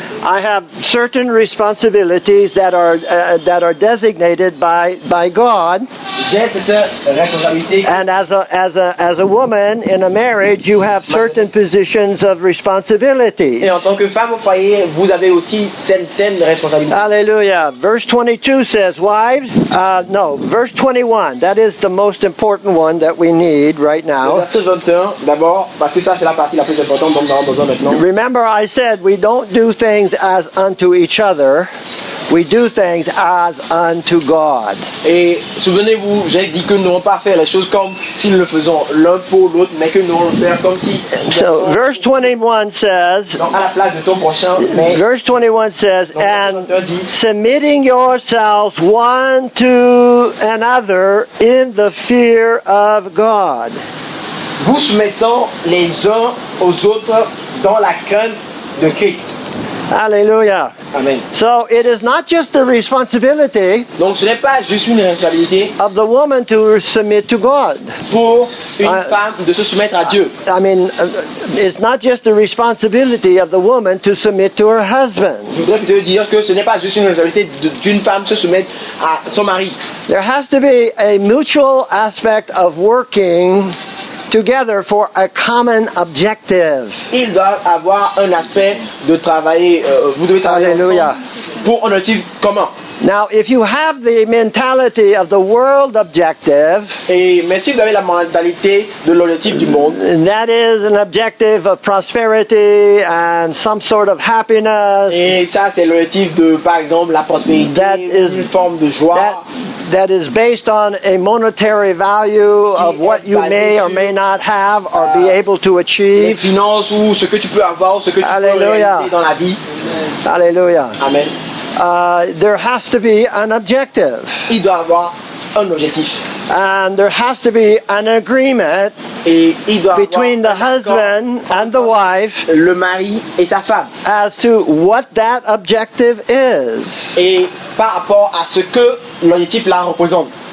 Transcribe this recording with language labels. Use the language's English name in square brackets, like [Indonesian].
[English] I have certain responsibilities that are designated by God. [French] J'ai cette responsabilité. [English] And as a woman in a marriage, you have certain positions of responsibility. [French] Et en tant que femme au foyer, vous avez aussi certaines responsabilités. [English] Hallelujah. Verse 22 says, wives. No, verse 21. That is the most important one that we need right now. [French] Verset 21, d'abord, parce que ça c'est la partie la plus importante dont nous avons besoin maintenant. [English] Remember, I said we don't do things as unto each other. We do things as unto God. [French] Et souvenez-vous, j'ai dit que nous ne devons pas faire les choses comme si nous le faisons l'un pour l'autre, mais que nous devons le faire comme si. [English] So, verse 21 says. [French] Donc à la place de ton prochain. Mais, [English] verse 21 says, [French] donc, [English] and [French] dit, [English] submitting yourselves one to another in the fear of God. [French] Vous soumettant les uns aux autres dans la crainte de Christ. [English] Hallelujah. Amen. So it is not just the responsibility. [French] Donc ce n'est pas juste une responsabilité [English] of the woman to submit to God. [French] Pour une femme de se soumettre à Dieu. [English] I mean, it's not just the responsibility of the woman to submit to her husband. [French] Je voudrais dire que ce n'est pas juste une responsabilité d'une femme se soumettre à son mari. [English] There has to be a mutual aspect of working together for a common objective. [French] Il doit avoir un aspect de travailler. Vous devez travailler Hallelujah. Pour un objectif commun. [English] Now, if you have the mentality of the world objective, [French] et mais si vous avez la mentalité de l'objectif du monde, [English] that is an objective of prosperity and some sort of happiness. [French] Et ça, c'est l'objectif de, par exemple, la prospérité, [English] that is, [French] une forme de joie. [English] That is based on a monetary value of what you may or may not have or be able to achieve. [French] Les finances ou ce que tu peux avoir, ce que tu Alleluia. Peux réaliser dans la vie. Alléluia. Amen. [English] There has to be an objective. [French] Il doit avoir un objectif. [English] And there has to be an agreement between the husband and the wife, [French] le mari et sa femme, [English] as to what that objective is. [French] Et par rapport à ce que l'objectif la représente.